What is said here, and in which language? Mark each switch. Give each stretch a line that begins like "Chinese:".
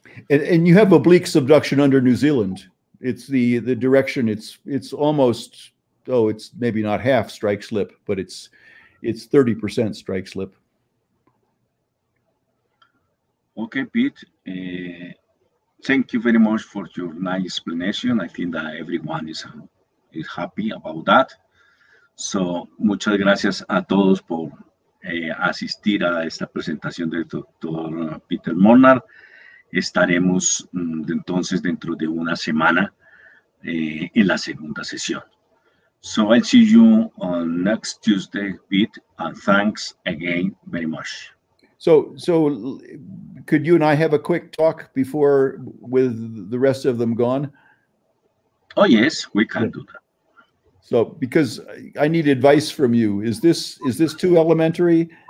English: And you have oblique subduction under New Zealand. It's the direction, it's almost, oh, it's maybe not half strike slip, but it's 30% strike slip. Okay, Pete, thank you very much for your nice explanation. I think that everyone is happy about that.
Spanish: So muchas gracias a todos por asistir a esta presentación del doctor Peter Molnar. Estaremos entonces dentro de una semana en la segunda sesión.
English: So I'll see you on next Tuesday, Pete, and thanks again very much. So could you and I have a quick talk before with the rest of them gone? Oh yes, we can do that. So, because I need advice from you, is this too elementary?